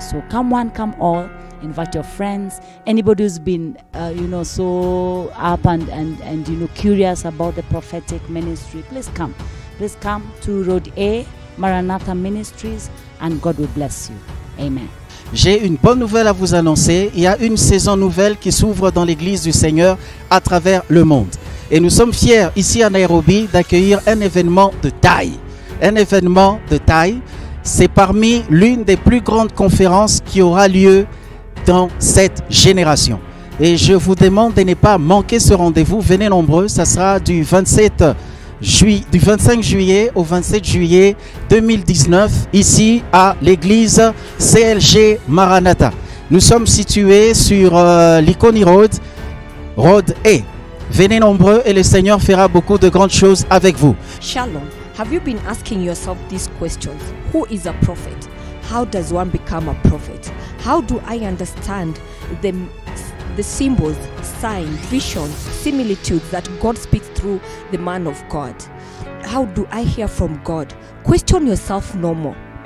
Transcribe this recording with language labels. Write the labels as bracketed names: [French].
[English] So come one, come all, invite your friends, anybody who's been, you know, so up and you know, curious about the prophetic ministry, please come. Please come to Road A, Maranatha Ministries, and God will bless you. Amen. [French] J'ai une bonne nouvelle à vous annoncer. Il y a une saison nouvelle qui s'ouvre dans l'église du Seigneur à travers le monde. Et nous sommes fiers ici à Nairobi d'accueillir un événement de taille. Un événement de taille. C'est parmi l'une des plus grandes conférences qui aura lieu dans cette génération. Et je vous demande de ne pas manquer ce rendez-vous. Venez nombreux, ça sera du 25 juillet au 27 juillet 2019, ici à l'église CLG Maranatha. Nous sommes situés sur l'Iconi Road, Road A. Venez nombreux et le Seigneur fera beaucoup de grandes choses avec vous. [English] Shalom, have you been asking yourself these questions? Who is a prophet? How does one become a prophet? How do I understand the symbols, signs, visions, similitudes that God speaks through the man of God? How do I hear from God? Question yourself no more.